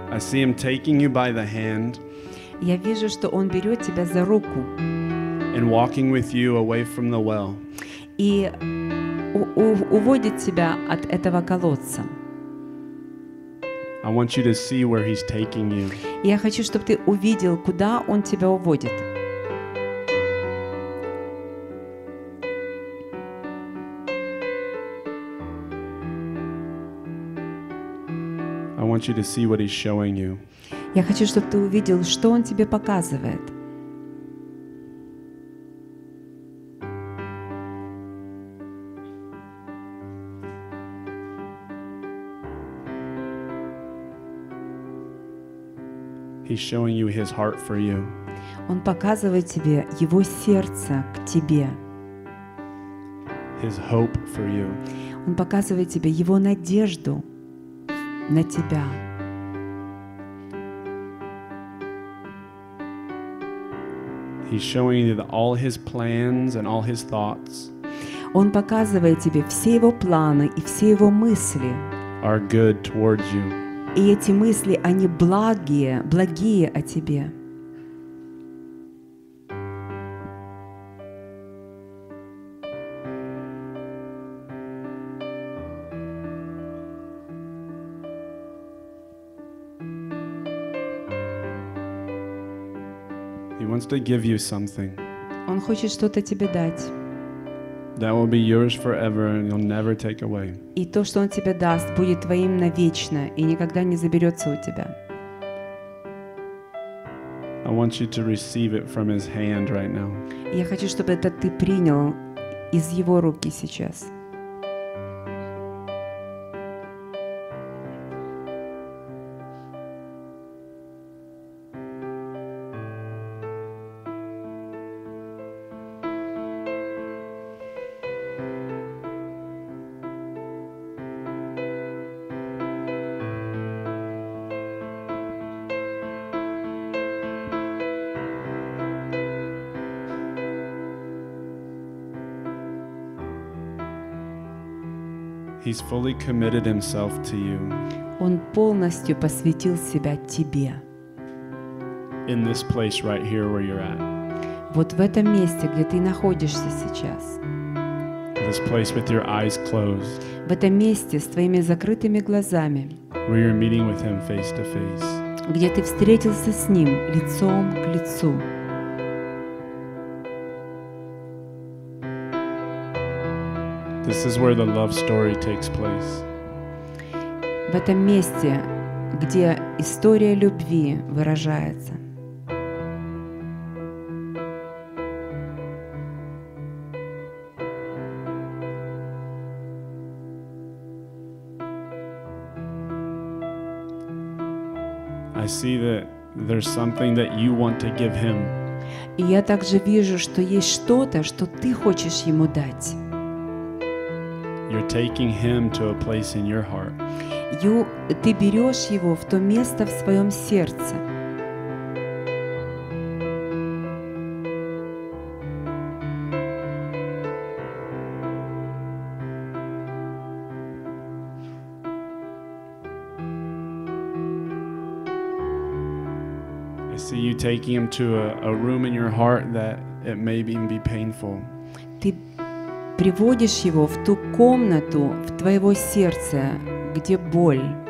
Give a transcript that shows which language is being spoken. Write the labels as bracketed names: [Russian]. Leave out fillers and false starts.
[English] See him taking you by the hand. [Russian] Я вижу, что он берет тебя за руку. [English] And walking with you away from the well. [Russian] И уводит тебя от этого колодца. [English] I want you to see where he's taking you. [Russian] Я хочу, чтобы ты увидел, куда он тебя уводит. [English] I want you to see what he's showing you. [Russian] Я хочу, чтобы ты увидел, что он тебе показывает. [English] He's showing you his heart for you. [Russian] Он показывает тебе его сердце к тебе. [English] His hope for you. [Russian] Он показывает тебе его надежду на тебя. [English] He's showing you all his plans and all his thoughts. [Russian] Он показывает тебе все его планы и все его мысли. [English] Are good towards you. [Russian] И эти мысли, они благие, благие о тебе. [English] He wants to give you something. [Russian] Он хочет что-то тебе дать. [English] That will be yours forever, and you'll never take away. [Russian] И то, что он тебе даст, будет твоим навечно и никогда не заберется у тебя. [English] I want you to receive it from his hand right now. [Russian] Я хочу, чтобы это ты принял из его руки сейчас. [English] He's fully committed himself to you. [Russian] Он полностью посвятил себя тебе. [English] In this place right here where you're at. [Russian] Вот в этом месте, где ты находишься сейчас. [English] This place with your eyes closed. [Russian] В этом месте с твоими закрытыми глазами. [English] Where you're meeting with him face to face. [Russian] Где ты встретился с ним лицом к лицу. [English] This is where the love story takes place. [Russian] В этом месте, где история любви выражается. [English] I see that there's something that you want to give him. [Russian] И я также вижу, что есть что-то, что ты хочешь ему дать. [English] You're taking him to a place in your heart. [Russian] Ты берешь его в то место в своем сердце. [English] I see you taking him to a room in your heart that it may even be painful. [Russian] Приводишь его в ту комнату в твоего сердце, где боль.